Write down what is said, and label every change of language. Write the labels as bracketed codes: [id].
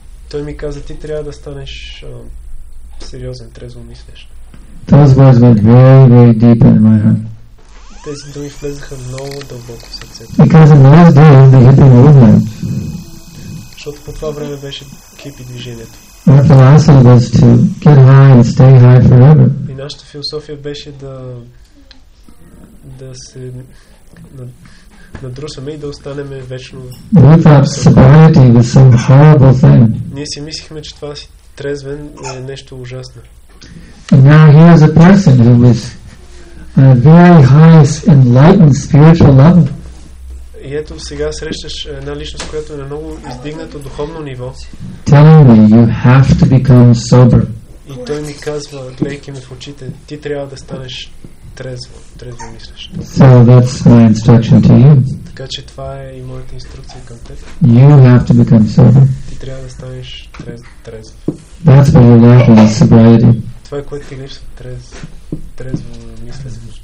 [bg] Той ми каза, ти трябва да станеш сериозен, трезво мислещ. [en] Those words went very, very deep in my heart. [bg] Тези думи влезаха много дълбоко в сърцето. [en] Because in those days the hippie movement. [bg] Защото по това време беше хипи движението. [en] Our philosophy was to get high and stay high forever. [bg] И нашата философия беше да се надрусаме и да останеме вечно. [en] We thought sobriety was some horrible thing. [bg] Ние си мислихме, че това си трезвен е нещо ужасно. [en] And now he was a person who was a very high enlightened spiritual level. [bg] И ето сега срещаш една личност, която е на много издигнато духовно ниво. [en] Telling me you have to become sober. [bg] И той ми казва, гледайки ме в очите, ти трябва да станеш трезво мислещ. [en] So that's my instruction to you. [bg] Така че това е и моята инструкция към теб. [en] You have to become sober. [bg] Ти трябва да станеш трезво. [en] That's what you lack in sobriety. [bg] Това е което ти липсва, трезво мислене.